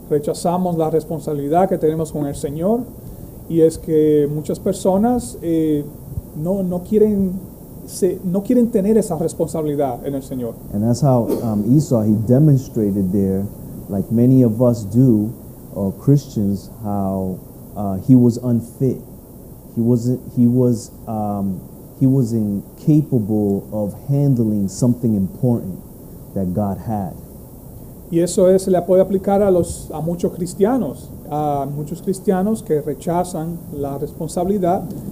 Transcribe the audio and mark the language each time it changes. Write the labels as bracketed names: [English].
[Spanish] Rechazamos la responsabilidad que tenemos con el Señor, y es que muchas personas no quieren tener esa responsabilidad en el Señor. [English] And that's how Esau, he demonstrated there, like many of us do, or Christians, how he was unfit. He was incapable of handling something important that God had. [Spanish] Y eso se le puede aplicar a muchos cristianos, a muchos cristianos que rechazan la responsabilidad.